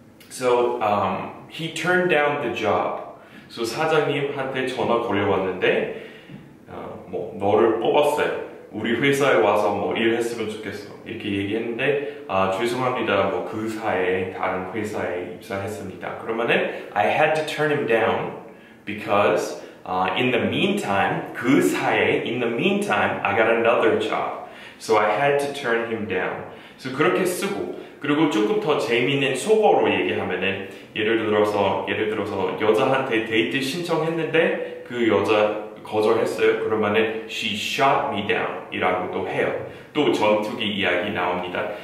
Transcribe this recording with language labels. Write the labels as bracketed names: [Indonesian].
[English] So he turned down the job. So [Korean] 사장님한테 전화 걸려왔는데 뭐 너를 뽑았어요. 우리 회사에 와서 뭐 일했으면 좋겠어. 이렇게 얘기했는데 아 죄송합니다. 뭐 그 사이에 다른 회사에 입사했습니다. 그러면은 [English] I had to turn him down because in the meantime [Korean] 그 사이에 [English] in the meantime I got another job. So I had to turn him down. [Korean] So 그렇게 쓰고 그리고 조금 더 재미있는 속어로 얘기하면은 예를 들어서 여자한테 데이트 신청했는데 그 여자 거절했어요. [English] 그러면은 she shot me down [Korean] 이라고도 해요. 또 전투기 이야기 나옵니다.